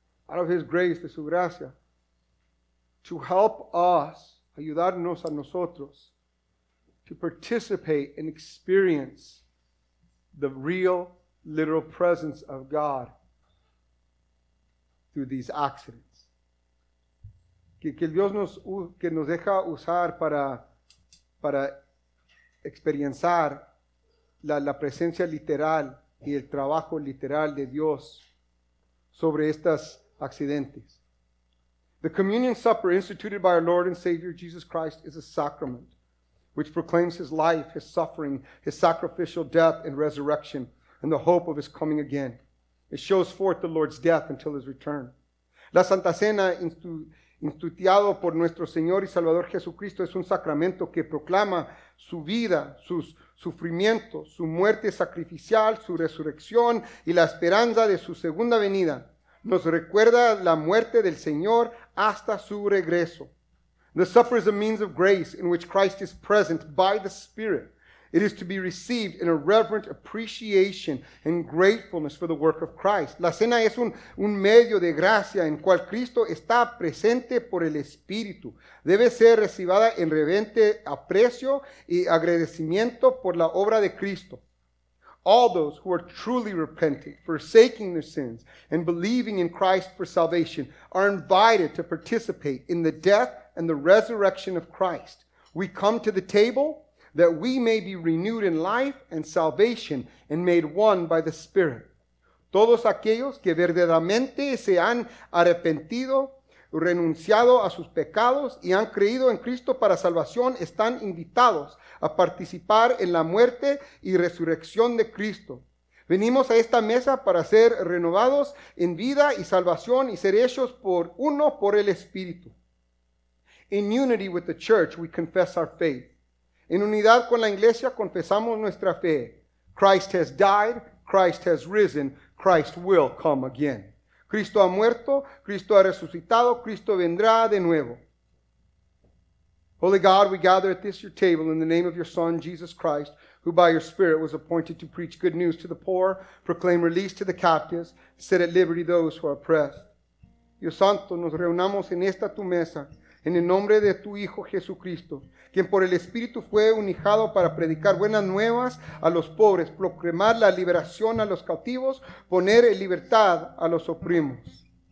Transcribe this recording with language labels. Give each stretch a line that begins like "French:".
English: Out of His grace,
Spanish: de su gracia.
English: To help us,
Spanish: ayudarnos a nosotros.
English: To participate and experience the real, literal presence of God through these accidents.
Spanish: Que Dios nos deja usar para experienciar la presencia literal y el trabajo literal de Dios sobre estos accidentes.
English: The communion supper instituted by our Lord and Savior Jesus Christ is a sacrament which proclaims his life, his suffering, his sacrificial death and resurrection, and the hope of his coming again. It shows forth the Lord's death until his return.
Spanish: La Santa Cena instituido por nuestro Señor y Salvador Jesucristo es un sacramento que proclama su vida, sus sufrimientos, su muerte sacrificial, su resurrección y la esperanza de su segunda venida. Nos recuerda la muerte del Señor hasta su regreso.
English: The supper is a means of grace in which Christ is present by the Spirit. It is to be received in a reverent appreciation and gratefulness for the work of Christ.
Spanish: La cena es un medio de gracia en cual Cristo está presente por el Espíritu. Debe ser recibida en reverente aprecio y agradecimiento por la obra de Cristo.
English: All those who are truly repenting, forsaking their sins, and believing in Christ for salvation are invited to participate in the death and the resurrection of Christ. We come to the table that we may be renewed in life and salvation and made one by the Spirit.
Spanish: Todos aquellos que verdaderamente se han arrepentido, renunciado a sus pecados y han creído en Cristo para salvación están invitados a participar en la muerte y resurrección de Cristo. Venimos a esta mesa para ser renovados en vida y salvación y ser hechos por uno por el Espíritu.
English: In unity with the church, we confess our faith.
Spanish: En unidad con la iglesia, confesamos nuestra fe.
English: Christ has died. Christ has risen. Christ will come again.
Spanish: Cristo ha muerto. Cristo ha resucitado. Cristo vendrá de nuevo.
English: Holy God, we gather at this your table in the name of your Son, Jesus Christ, who by your Spirit was appointed to preach good news to the poor, proclaim release to the captives, set at liberty those who are oppressed.
Spanish: Dios Santo, nos reunamos en esta tu mesa, en el nombre de tu Hijo Jesucristo, quien por el Espíritu fue unijado para predicar buenas nuevas a los pobres, proclamar la liberación a los cautivos, poner en libertad a los oprimidos.